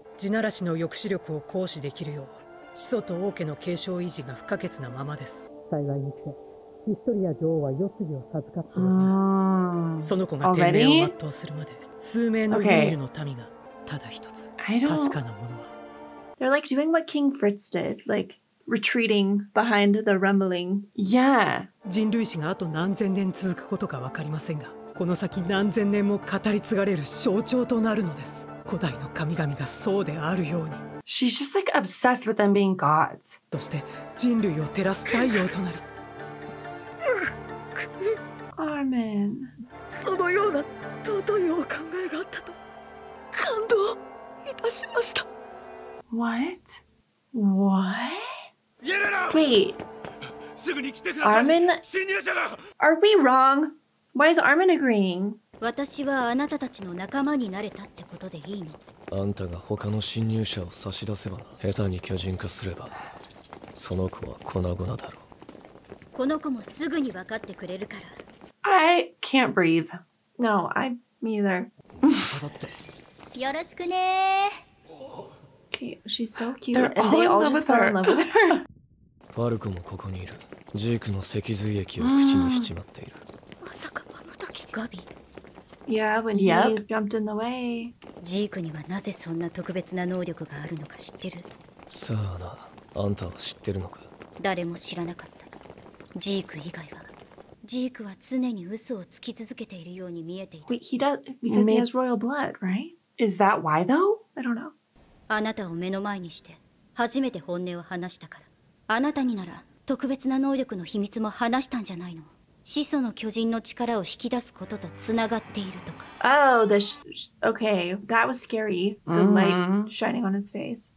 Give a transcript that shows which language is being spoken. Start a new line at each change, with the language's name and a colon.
Japanese: 地ならしの抑止力を行使できるよう、始祖と王家の継承維持が不可欠なままです。幸いにしてヒストリア女王は世継ぎを授かっていますその子が天命を全うするまで数名のユミルの民がただ一つ、確かなものは。
English: They're like doing what King Fritz did, likeretreating behind the rumbling. Yeah.
Japanese: 人類史があと何千年続くことか分かりませんが、この先何千年も語り継がれる象徴となるのです。古代の神々がそうであるように。
English: She's just like obsessed with them being gods.
Japanese: そして人類を照らす太陽となり。
English: Armin.
Japanese: そのような尊いお考えがあったと感動いたしました。
English: What? What? Wait. Armin? Are we wrong? Why is Armin agreeing?
Japanese: 私はあなたたちの仲間になれたってことでいいの？あんたが他の侵入者を差し出せば、下手に巨人化すれば、その子は粉々だろう。この子もすぐに分かってくれるから。
English: I can't breathe. No, I neither.
Japanese: よろしくね。
English: She's so cute. They're all they all just fell in love with her.
Japanese: ファルコもここにいる。ジークの脊髄液を口にしちまっている。まさかあの時ガビ。
English: Yeah, when he jumped in the way.
Japanese: ジークにはなぜそんな特別な能力があるのか知ってる？さあな、あんたは知ってるのか？誰も知らなかった。ジーク以外は。ジークは常に嘘をつき続けているように見えていた。
English: Wait, he does because he has royal blood, right? Is that why though? I don't know.
Japanese: あなたを目の前にして初めて本音を話したから。あなたになら特別な能力の秘密も話したんじゃないの？始祖の巨人の力を引き出すこととつながっているとか。
English: Oh, the okay, that was scary. The light shining on his face.